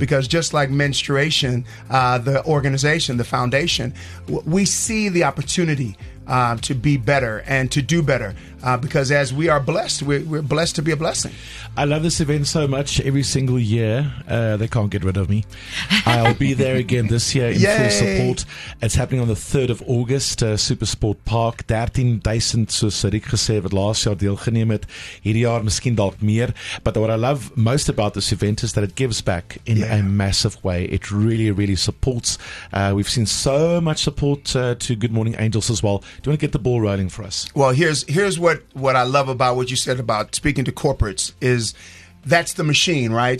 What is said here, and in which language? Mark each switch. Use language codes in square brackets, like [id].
[en] Because just like menstruation, the organization, the foundation, we see the opportunity to be better and to do better, because as we are blessed, we're blessed to be a blessing. I love this event so much. Every single year, they can't get rid of me. I'll be there again this year in full support. It's happening on the 3rd of August, Supersport Park. [af] 13,000, soos Rick gesê, wat laas jaar deelgeneem het. Hierdie jaar miskien dalk meer. [en] But what I love most about this event is that it gives back in a massive way. It really, really supports. We've seen so much support to Good Morning Angels as well. Do you want to get the ball rolling for us? Well, here's what I love about what you said about speaking to corporates is that's the machine, right?